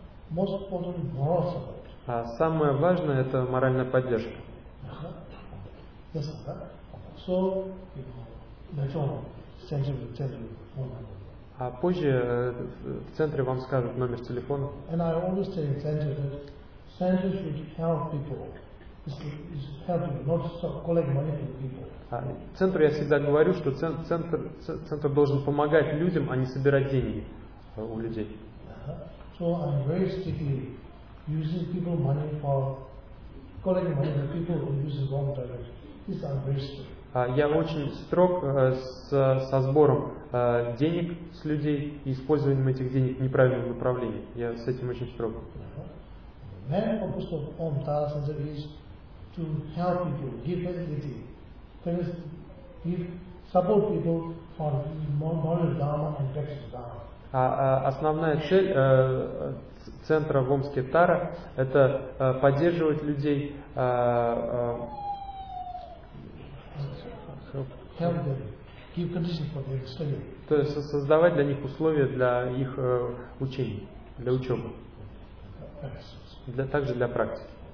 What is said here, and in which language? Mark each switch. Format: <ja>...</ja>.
<en>Most important, moral support.</en> <ru>А самое важное — это моральная поддержка.</ru> <en>Yes, so, you know, center,</en> <ru>а позже в центре вам скажут номер телефона.</ru> <en>And I always say in center that center should help people. It's helping, not collect money from people.</en> <ru>Центру я всегда говорю, что центр должен помогать людям, а не собирать деньги у людей.</ru> <en>So I'm very strictly using people money for collecting money that people who use the wrong direction. This I'm very strict.</en> <ru>Я очень строг со сбором денег с людей и использованием этих денег в неправильном направлении. Я с этим очень строг.</ru> <en>Main purpose of Om Tara Center is to help people, give facility. First, give support people for moral dharma and practice dharma.</en> <ru>Основная цель центра в Омске Тара – это поддерживать людей, то есть создавать для них условия для их учений, для учебы, также для практики.</ru>